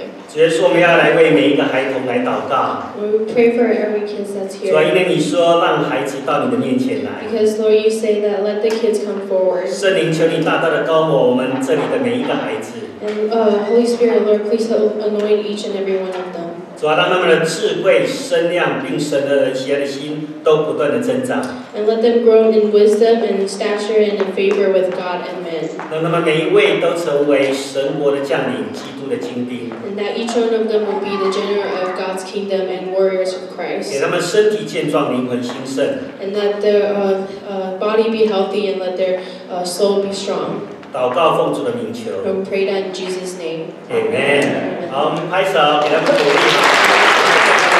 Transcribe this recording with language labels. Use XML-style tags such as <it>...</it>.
<zh>主耶稣，我们要来为每一个孩童来祷告。</zh> <en>We pray for every kid that's here.</en> <zh>主啊，因为你说让孩子到你的面前来。</zh> <en>Because Lord, you say that let the kids come forward.</en> <zh>圣灵，求你大大的膏抹我们这里的每一个孩子。</zh> <en>And Holy Spirit, Lord, please anoint each and every one of them.</en> <zh>主啊，让他们的智慧、身量，并神的喜爱的心都不断的增长。</zh> <en>And let them grow in wisdom and stature and in favor with God and men.</en> <zh>让他们每一位都成为神国的将领，基督的精兵。</zh> <en>That each one of them will be the general of God's kingdom and warriors of Christ.</en> <zh>给他们身体健壮，灵魂兴盛。</zh> <en>And let their body be healthy and let their soul be strong.</en> <zh>祷告奉主的名求。</zh> <en>We pray that in Jesus' name. Amen.</en> <zh>好，我们拍手给他们鼓励。</zh>